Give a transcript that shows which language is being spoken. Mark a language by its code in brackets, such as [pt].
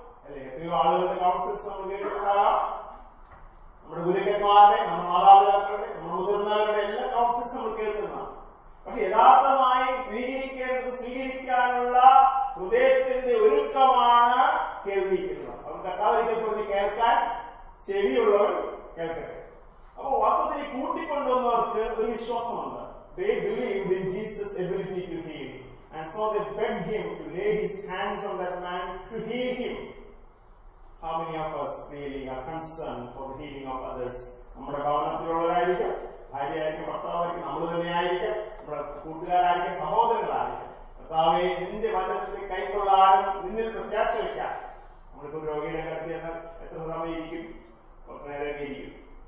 [ml] അല്ലെ, എത്രയോ ആളുകളുടെ കൗൺസിൽസ് നമ്മൾ കേൾക്കുന്നതാണ്, നമ്മുടെ ഗുരുക്കന്മാരെ, നമ്മുടെ മാതാപിതാക്കളുടെ, നമ്മുടെ മുതിർന്നവരുടെ എല്ലാ കൗൺസിൽസ് നമ്മൾ കേൾക്കുന്നതാണ്. പക്ഷെ യഥാർത്ഥമായി സ്വീകരിക്കേണ്ടത് സ്വീകരിക്കാനുള്ള ഹൃദയത്തിന്റെ ഒരുക്കമാണ് കേൾപ്പിക്കുന്നത്. അവർ കട്ടാതിരിക്കുന്ന കേൾക്കാൻ ചെവിയുള്ളവർ കേൾക്കട്ടെ. അപ്പോ വസ്തുതയെ കൂട്ടിക്കൊണ്ടുവന്നവർക്ക് ഒരു വിശ്വാസമുണ്ട്. [en] They believed in Jesus' ability to heal. And so they begged him to lay his hands on that man to heal him. How many of us really are concerned for the healing of others? [ml] നമ്മുടെ ഭവനത്തിലുള്ളവരായിരിക്കും, ഭാര്യയായിരിക്കും, ഭർത്താവായിരിക്കും, നമ്മൾ തന്നെയായിരിക്കും, നമ്മുടെ കൂട്ടുകാരായിരിക്കും, സഹോദരങ്ങളായിരിക്കും. ഭർത്താവെ നിന്റെ വചനത്തിൽ കൈക്കൊള്ളാനും നിന്നിൽ പ്രത്യാശ വയ്ക്കാം. നമ്മളിപ്പോ രോഗിയുടെ കാര്യം എത്ര സമയം കുറച്ച് നേരമൊക്കെ ഇരിക്കും.